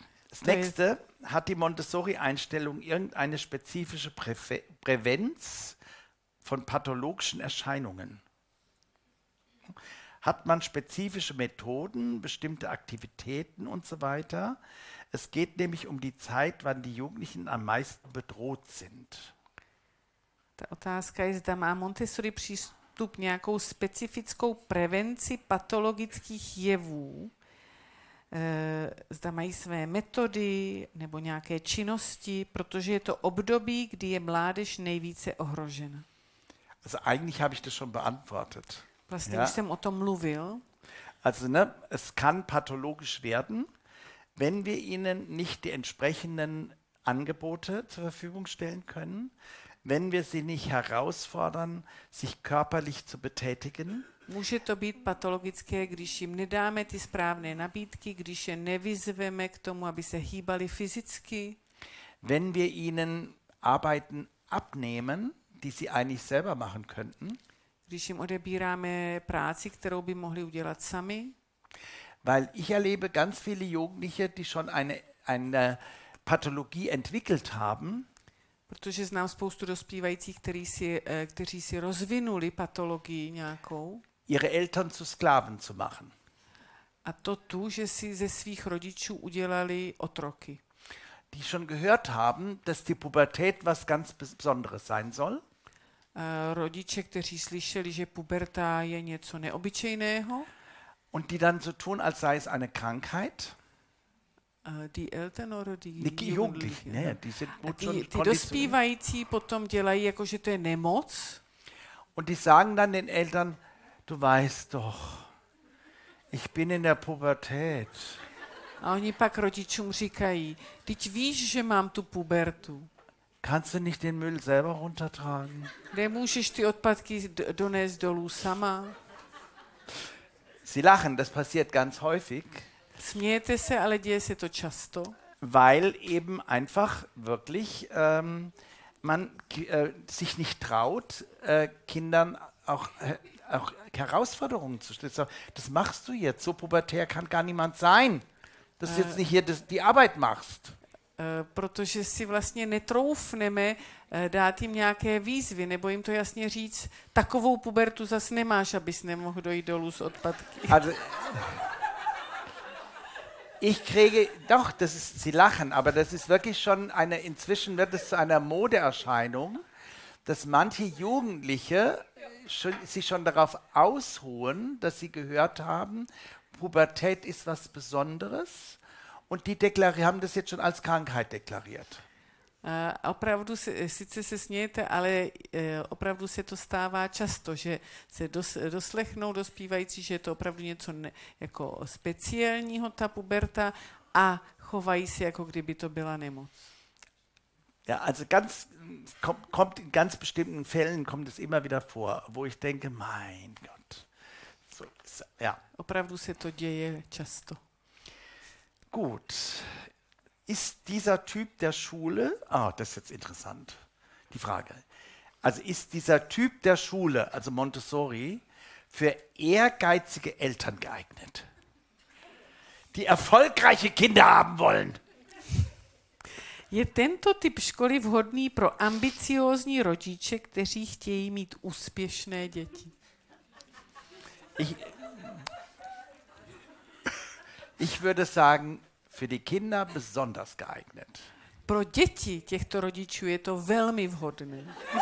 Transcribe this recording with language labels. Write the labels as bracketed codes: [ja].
[de] Das nächste, hat die Montessori-Einstellung irgendeine spezifische Prävenz von pathologischen Erscheinungen? Hat man spezifische Methoden, bestimmte Aktivitäten und so weiter? Es geht nämlich um die Zeit, wann die Jugendlichen am meisten bedroht sind. [cs] Ta otázka je, zda má Montessori přístup nějakou specifickou prevenci patologických jevů. zda mají své metody nebo nějaké činnosti, protože je to období, kdy je mládež nejvíce ohrožena. [de] Also eigentlich habe ich das schon beantwortet. [cs] Vlastně už jsem o tom mluvil. [de] Also ne, es kann pathologisch werden, wenn wir ihnen nicht die entsprechenden Angebote zur Verfügung stellen können, wenn wir sie nicht herausfordern, sich körperlich zu betätigen. [cs] Může to být patologické, když jim nedáme ty správné nabídky, když je nevyzveme k tomu, aby se hýbali fyzicky. [de] Wenn wir ihnen Arbeiten abnehmen, die sie eigentlich selber machen könnten. [cs] Když jim odebíráme práci, kterou by mohli udělat sami. [de] Weil ich erlebe ganz viele Jugendliche, die schon eine Pathologie entwickelt haben. [cs] Protože znám spoustu dospívajících, kteří si rozvinuli patologii nějakou. [de] Ihre Eltern zu Sklaven zu machen. [cs] A to tu, že si ze svých rodičů udělali otroky. [de] Die schon gehört haben, dass die Pubertät was ganz Besonderes sein soll. [cs] Rodiče, kteří slyšeli, že puberta je něco neobyčejného. [de] Und die dann so tun, als sei es eine Krankheit. Die Eltern oder die Jugendlichen, ne, die sind gut schon kondiziert. [cs] Die dospívající potom dělají, jako že to je nemoc. [de] Und die sagen dann den Eltern, du weißt doch, ich bin in der Pubertät. [cs] A oni pak rodičům říkají, teď víš, že mám tu pubertu. [de] Kannst du nicht den Müll selber runtertragen? [cs] Nemůžeš ty odpadky donést dolů sama? [de] Sie lachen, das passiert ganz häufig. [cs] Smějete se, ale děje se to často. [de] Weil eben einfach wirklich man sich nicht traut, Kindern auch Herausforderungen zu stellen. Das machst du jetzt, so pubertär kann gar niemand sein, dass du jetzt nicht hier die Arbeit machst. [cs] Protože si vlastně netroufneme dát jim nějaké výzvy, nebo jim to jasně říct, takovou pubertu zas nemáš, abys nemohl dojít dolů z odpadky. [de] Also, ich kriege, doch, das ist, sie lachen, aber das ist wirklich schon eine, inzwischen wird es zu einer Modeerscheinung, dass manche Jugendliche sich schon darauf ausruhen, dass sie gehört haben, Pubertät ist was Besonderes und die haben das jetzt schon als Krankheit deklariert. [cs] Opravdu, sice se smějete, ale opravdu se to stává často, že se doslechnou dospívající, že je to opravdu něco jako speciálního, ta puberta, a chovají se, jako kdyby to byla nemoc. [de] Ja, also ganz, kommt in ganz bestimmten Fällen kommt es immer wieder vor, wo ich denke, mein Gott. So, ja. [cs] Opravdu se to děje často. [de] Gut. Ist dieser Typ der Schule, ah, das ist jetzt interessant, die Frage. Also ist dieser Typ der Schule, also Montessori, für ehrgeizige Eltern geeignet, die erfolgreiche Kinder haben wollen? [cs] Je tento typ školy vhodný pro ambiciózní rodiče, kteří chtějí mít úspěšné děti? [de] Ich würde sagen, für die Kinder besonders geeignet. [cs] Pro děti těchto rodičů je to velmi vhodné.